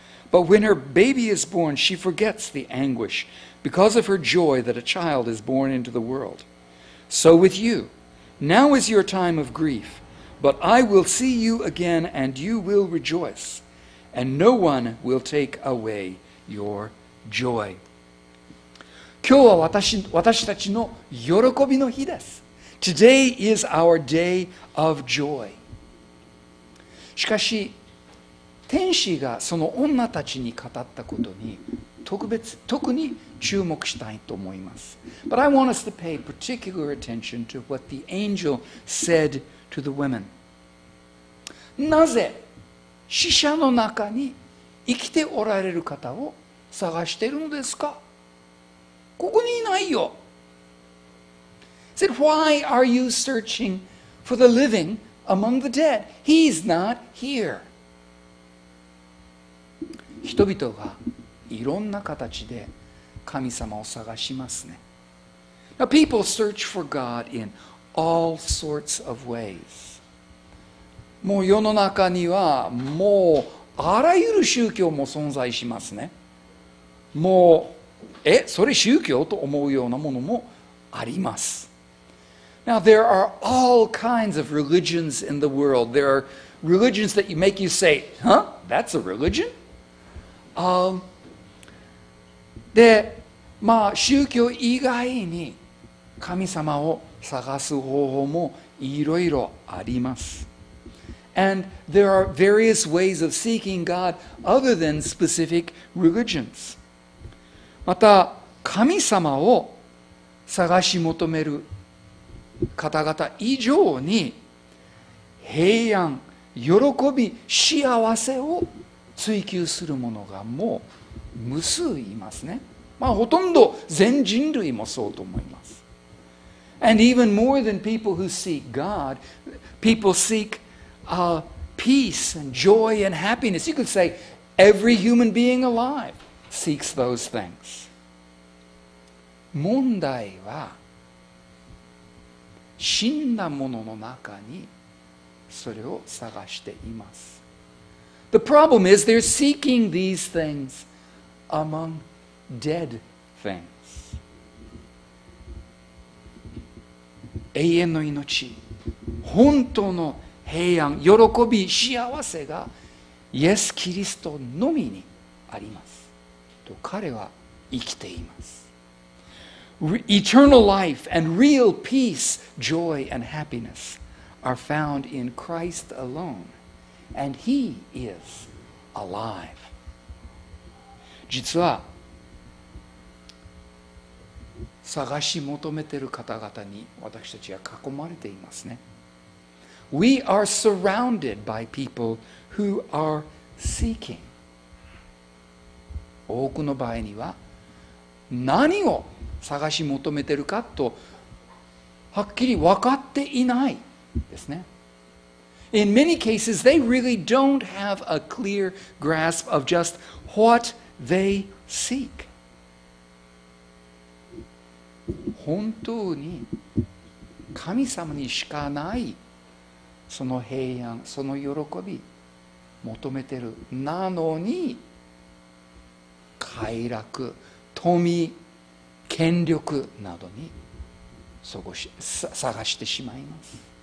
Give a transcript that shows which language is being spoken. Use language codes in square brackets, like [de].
[en] But when her baby is born, she forgets the anguish because of her joy that a child is born into the world. So with you, now is your time of grief, but I will see you again and you will rejoice, and no one will take away your joy. [ja] 今日は私たちの喜びの日です。 [en] Today is our day of joy. [ja] しかし、天使がその女たちに語ったことに特に注目したいと思います。 [en] But I want us to pay particular attention to what the angel said to the women. [ja] なぜ死者の中に生きておられる方を探しているのですか？ここにいないよ。 [en] He said, Why are you searching for the living? Among the dead. He's not here. [ja] 人々がいろんな形で神様を探しますね。 [en] Now, people search for God in all sorts of ways. [ja] もう世の中にはもうあらゆる宗教も存在しますね。もう、それ宗教と思うようなものもあります。 [en] Now, there are all kinds of religions in the world. There are religions that make you say, huh? That's a religion? [ja] で、まあ、宗教以外に神様を探す方法もいろいろあります。 [en] And there are various ways of seeking God other than specific religions. [ja] また、神様を探し求める方々以上に平安、喜び、幸せを追求するものがもう無数いますね。まあほとんど全人類もそうと思います。 [en] And even more than people who seek God, people seek peace and joy and happiness. You could say every human being alive seeks those things. [ja] 問題は死んだものの中にそれを探しています。 [en] The problem is they're seeking these things among dead things. [ja] 永遠の命、本当の平安、喜び、幸せがイエス・キリストのみにあります。と彼は生きています。 [en] Eternal life and real peace, joy and happiness are found in Christ alone, and He is alive. [ja] 実は、探し求めている方々に私たちは囲まれていますね。 [en] We are surrounded by people who are seeking. [ja] 多くの場合には、何を探し求めてるかとはっきり分かっていないですね。 [en] In many cases, they really don't have a clear grasp of just what they seek. [ja] 本当に神様にしかないその平安、その喜び求めてるなのに快楽、富、権力などに探してしまいます。